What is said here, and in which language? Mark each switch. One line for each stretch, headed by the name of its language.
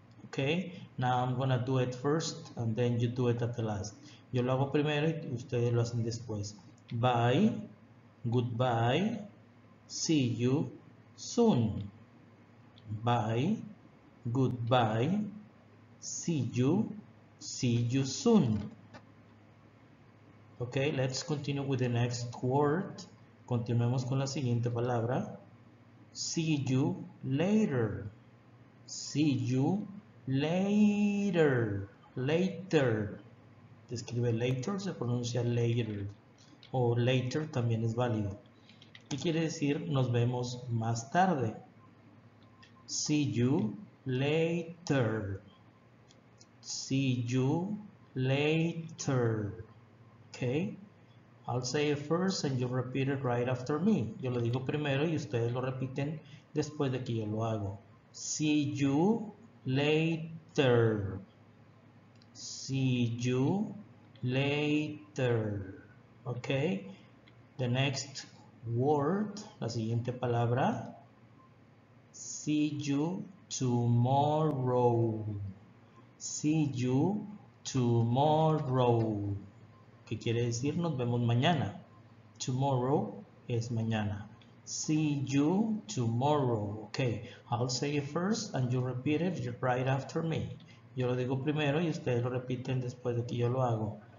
English: Okay, now I'm gonna do it first and then you do it at the last.
Spanish: Yo lo hago primero y ustedes lo hacen después.
English: Bye, goodbye, see you soon. Bye, goodbye, see you soon. Okay, let's continue with the next word.
Spanish: Continuemos con la siguiente palabra.
English: See you later. See you later.
Spanish: Later. Se escribe later, se pronuncia later. O later también es válido. Y quiere decir nos vemos más tarde.
English: See you later. See you later. Okay. I'll say it first and you repeat it right after me.
Spanish: Yo lo digo primero y ustedes lo repiten después de que yo lo hago.
English: See you later. See you later. Okay. The next word,
Spanish: la siguiente palabra.
English: See you tomorrow. See you tomorrow.
Spanish: ¿Qué quiere decir? Nos vemos mañana. Tomorrow es mañana.
English: See you tomorrow. Okay, I'll say it first and you repeat it right after me.
Spanish: Yo lo digo primero y ustedes lo repiten después de que yo lo hago.